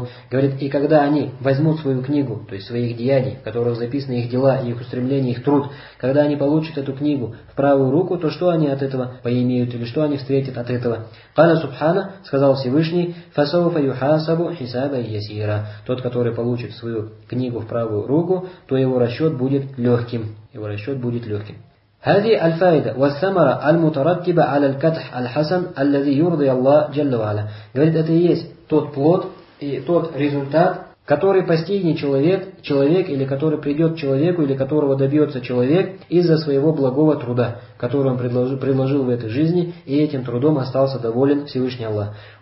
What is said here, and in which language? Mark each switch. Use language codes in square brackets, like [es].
[ru] Говорит, и когда они возьмут свою книгу, то есть своих деяний, в которых записаны их дела, их устремления, их труд, когда они получат эту книгу в правую руку, то что они от этого поимеют или что они встретят от этого? [ar] Каля Субхана, [ru] сказал Всевышний, [ar] фасауфа юхасабу хисаба ясира. [ru] Тот, который получит свою книгу в правую руку, то его расчет будет легким. Его расчет будет легким. [ar] هذه الفائدة والثمرة المترتبة على الكتح الحسن الذي يرضي الله جل وعلا. [ru] Говорит, это и есть тот плод и тот результат, который постигнет человек или который придет человеку или которого добьется человек из-за своего благого труда, который он предложил в этой жизни и этим трудом остался доволен Всевышний Аллах.